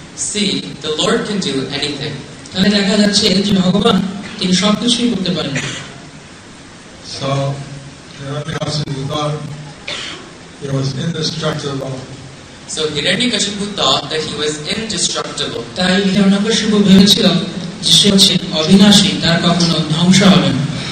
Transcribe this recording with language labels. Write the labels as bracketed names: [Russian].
[English] See, the Lord can do anything. [Bangla] তাহলে দেখা যাচ্ছে যে ভগবান তিনি সব কিছুই করতে পারেন. [English] So, Hiranyakashipu thought that he was indestructible. [Bangla] তাই হিরণ্যকশিপু ভেবেছিল যে সে হচ্ছে অবিনাশী, তার কখনো ধ্বংস হবে না.